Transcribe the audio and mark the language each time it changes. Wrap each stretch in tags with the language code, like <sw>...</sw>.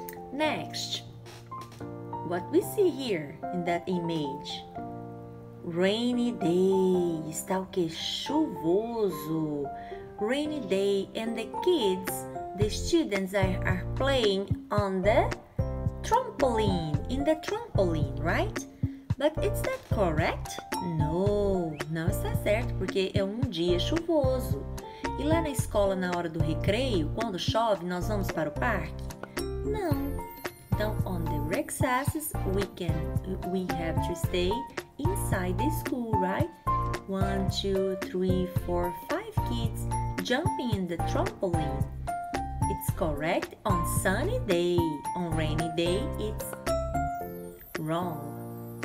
<en>Next, what we see here in that image? Rainy day.</en> <pt>Está o quê? Chuvoso.</pt> <en>Rainy day. And the kids The students are playing on the trampoline, in the trampoline, right? But is that correct?</en> <pt>No, não está certo porque é dia chuvoso. E lá na escola, na hora do recreio, quando chove, nós vamos para o parque? Não.</pt> <en>Então, on the recesses, we have to stay inside the school, right? 1, 2, 3, 4, 5 kids jumping in the trampoline. It's correct on sunny day. On rainy day, it's wrong.</en>